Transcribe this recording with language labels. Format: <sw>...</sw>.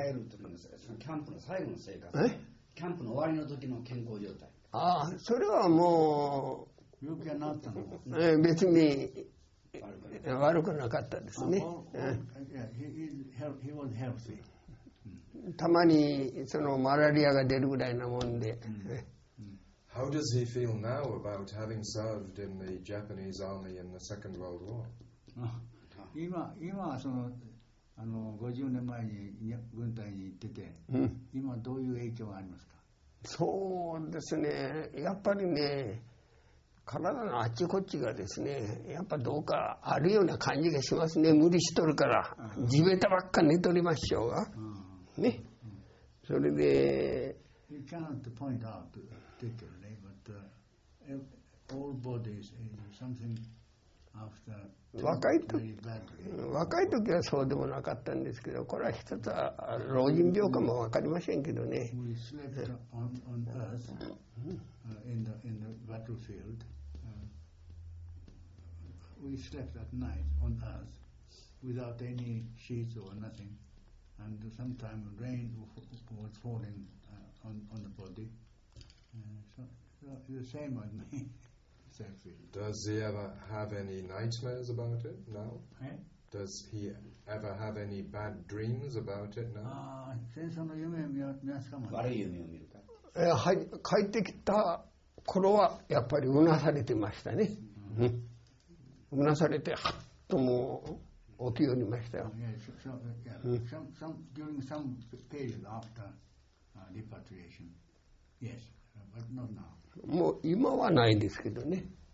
<ja>帰るときのキャンプの最後の生活。キャンプの終わりの時の健康状態。それはもう。病気はなったの？別に悪くなかったですね。</ja> <en>He was healthy.</en> <ja>たまにそのマラリアが出るぐらいなもんで。</ja> <en>How does he feel now about having served in the Japanese army in the Second World War?</en> <ja>今そのあの50年前に軍隊に行ってて、今どういう影響がありますか？そうですね、やっぱりね、体のあちこちがですね、やっぱどうかあるような感じがしますね。無理しとるから、地べたばっか寝とりましょうが、ね、それで。</ja> <en>You can't point out particularly, but all bodies is something after.</en> <ja>若い時はそうでもなかったんですけど、これは一つは老人病かもわかりませんけどね。</ja> <en>We slept on earth in the battlefield. We slept at night on earth without any sheets or nothing, and sometimes rain was falling on the body. So the same with me. Does he ever have any nightmares about it now? Does he ever have any bad dreams about it now?</en> <ja>戦争の夢を見ますかも。悪い夢を見るか。帰ってきた頃はやっぱりうなされてましたね。うなされてハッとも起きようにましたよ。</ja> <en>During some period after repatriation, yes, but not now.</en> <ja>もう今はないですけどね。</ja>